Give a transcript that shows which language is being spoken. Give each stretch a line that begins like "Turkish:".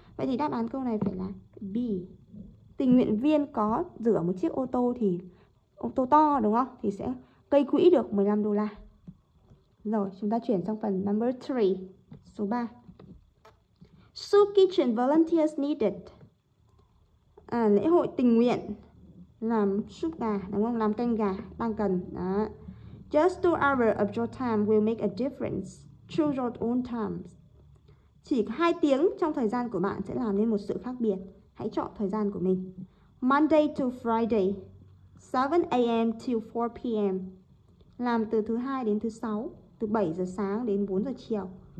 Vietnamese: Vậy thì đáp án câu này phải là B. Tình nguyện viên có rửa một chiếc ô tô to, đúng không? Thì sẽ gây quỹ được 15 đô la. Rồi, chúng ta chuyển sang phần number 3, số 3.
English: Soup kitchen volunteers needed.
Vietnamese: À, lễ hội tình nguyện làm súp gà, đúng không? Làm canh gà đang cần. Đó.
English: Just 2 hours of your time will make a difference. Choose your own time.
Vietnamese: Chỉ 2 tiếng trong thời gian của bạn sẽ làm nên một sự khác biệt. Hãy chọn thời gian của mình.
English: Monday to Friday, 7 a.m. to 4 p.m.
Vietnamese: Làm từ thứ 2 đến thứ 6, từ 7 giờ sáng đến 4 giờ chiều.